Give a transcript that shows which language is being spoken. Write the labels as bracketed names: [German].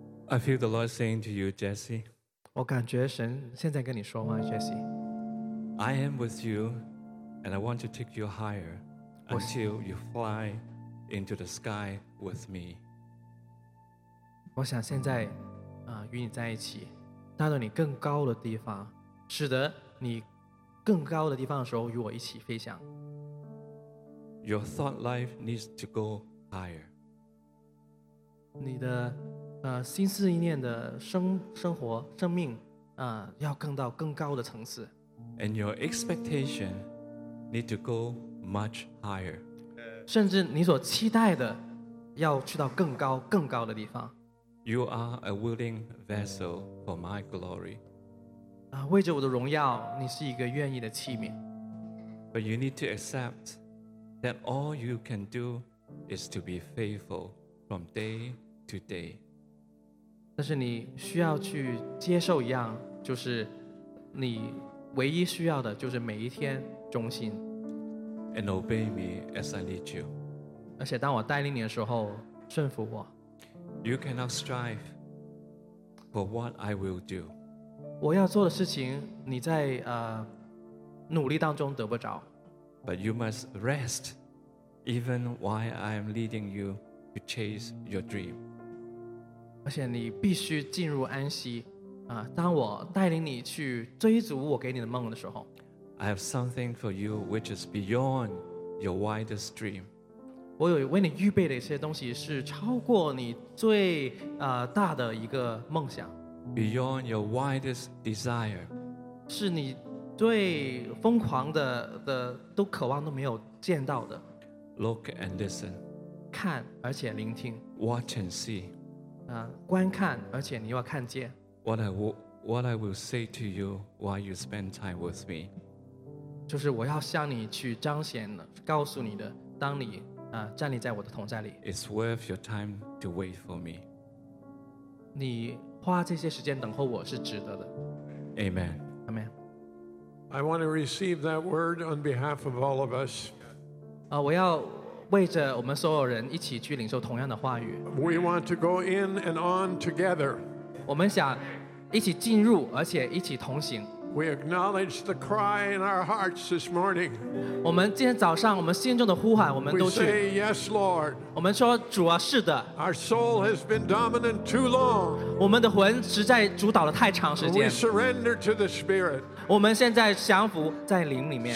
[English] I feel the Lord saying to you, Jesse. [Chinese] 我感觉神现在跟你说话 ，Jesse。 [English] I am with you, and I want to take you higher until you fly into the sky with me. [Chinese] 我想现在与你在一起，带到你更高的地方，使得你更高的地方的时候与我一起飞翔。 [English] Your thought life needs to go higher. [Chinese] 你的心思意念的生活生命要更到更高的层次。 [English] And your expectation need to go much higher. [Chinese] 甚至你所期待的要去到更高更高的地方。 [English] You are a willing vessel for my glory. [Chinese] 为着我的荣耀，你是一个愿意的器皿。 [English] But you need to accept that all you can do is to be faithful from day to day. [Chinese] 但是你需要去接受一样，就是你唯一需要的就是每一天忠心。 [English] And obey me as I lead you. [Chinese] 而且当我带领你的时候，顺服我。 [English] You cannot strive for what I will do. [Chinese] 我要做的事情，你在努力当中得不着。 [English] But you must rest even while I am leading you to chase your dream. [Chinese] 而且你必须进入安息当我带领你去追逐我给你的梦的时候。 [English] I have something for you which is beyond your wildest dream. [Chinese] 我有为你预备的一些东西是超过你最大的一个梦想。 [English] Beyond your wildest desire. [Chinese] 是你最疯狂 的都渴望都没有见到的。 [English] Look and listen. [Chinese] 看而且聆听。 [English] Watch and see. [Chinese] 观看而且你要看见。 [English] What I will say to you while you spend time with me. [Chinese] 就是我要向你去彰显告诉你的当你站立在我的同在里。 [English] It's worth your time to wait for me. [Chinese] 你花这些时间等候我是值得的。 [English] Amen. Amen. I want to receive that word on behalf of all of us. [Chinese] 我要为着我们所有人一起去领受同样的话语。 [English] We want to go in and on together. [Chinese] 我们想一起进入，而且一起同行。 [English] We acknowledge the cry in our hearts this morning. [Chinese] 我们今天早上我们心中的呼喊，我们都去。 [English] We say yes, Lord. [Chinese] 我们说主啊，是的。 [English] Our soul has been dominant too long. [Chinese] 我们的魂实在主导了太长时间。 [English] We surrender to the Spirit. [Chinese] 我们现在降服在灵里面。